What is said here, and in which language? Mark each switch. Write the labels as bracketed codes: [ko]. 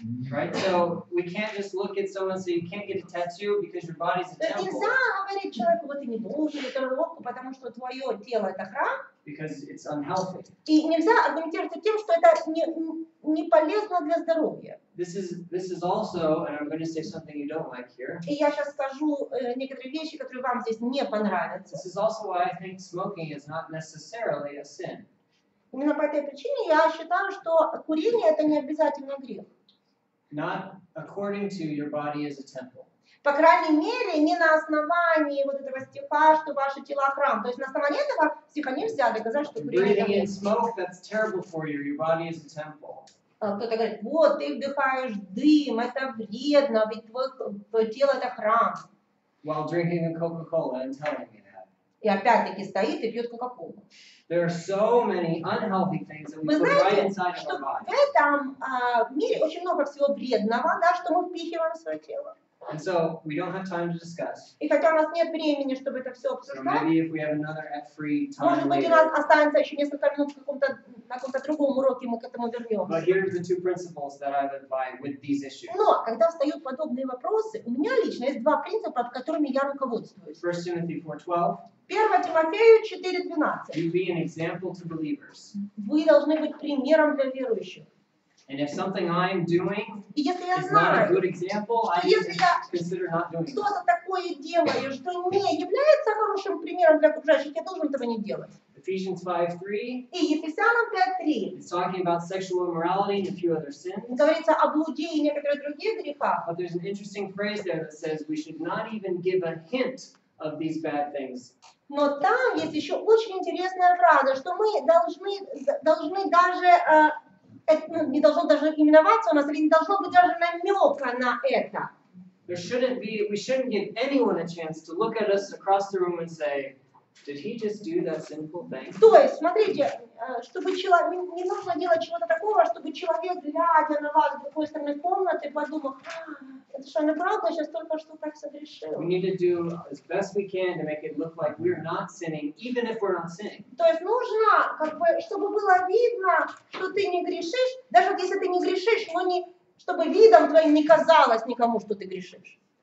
[en] Right, so we can't just look at someone and say you can't get a tattoo because your body's a temple. [ru] Нельзя говорить человеку, вот ты не должен эту татуировку, потому что твое тело это храм. [en] Because it's unhealthy. [ru] И нельзя аргументировать тем, что это не полезно для здоровья. [en] This is also, and I'm going to say something you don't like here. [ru] И я сейчас скажу некоторые вещи, которые вам здесь не понравятся. [en] This is also why I think smoking is not necessarily a sin. [ru] Именно по этой причине я считаю, что курение это не обязательно грех. [en] Not according to your body as a temple. [ru] По крайней мере, не на основании вот этого стиха, что ваше тело храм. То есть на основании этого стиха нельзя доказать, что курение это грех. [en] Smoke, that's terrible for you. Your body is a temple. [ru] Кто-то говорит, вот ты вдыхаешь дым, это вредно, ведь твое тело это храм. [en] While drinking a Coca-Cola and telling me that. [ru] И опять-таки стоит и пьет Кока-Колу. [en] There are so many unhealthy things that we put [ru] знаете, [en] right inside of our body. [ru] В этом мире очень много всего вредного, да, что мы впихиваем в свое тело. [en] And so we don't have time to discuss. [ru] И хотя у нас нет времени, чтобы это все обсуждать, [en] so maybe if we have another free time [ru] может быть [en] later, [ru] у нас останется еще несколько минут в каком-то каком-то другом уроке мы к этому вернемся. [en] But here are the two principles that I live by with these issues. [ru] Но когда встают подобные вопросы, у меня лично есть два принципа, которыми я руководствуюсь. [en] 1 Timothy [ru] 4:12. 1 Тимофею [en] 4:12. You be an example to believers. [ru] Вы должны быть примером для верующих. [en] And if something I'm doing is not [ru] знаю, [en] a good example, I consider not doing it. [ru] Что-то такое делаю, что не является хорошим примером для окружающих, я должен этого не делать. [en] Ephesians 5:3. It's talking about sexual immorality and a few other sins. [ru] Говорится о блуде и некоторых других грехах. [en] But there's an interesting phrase there that says we should not even give a hint of these bad things. [ru] Но там есть еще очень интересная фраза, что мы должны даже это не должно даже именоваться у нас, или не должно быть даже намека на это. [en] There shouldn't be, we shouldn't give anyone a chance to look at us across the room and say, did he just do that sinful thing? [ru] То есть, смотрите, чтобы человек, не нужно делать чего-то такого, чтобы человек, глядя на вас с другой стороны комнаты, подумал, это что, неправда, сейчас только что так согрешил. [en] We need to do as best we can to make it look like we're not sinning, even if we're not sinning. [ru] То есть нужно, как бы, чтобы было видно, что ты не грешишь, даже если ты не грешишь, но не, чтобы видом твоим не казалось никому, что ты грешишь.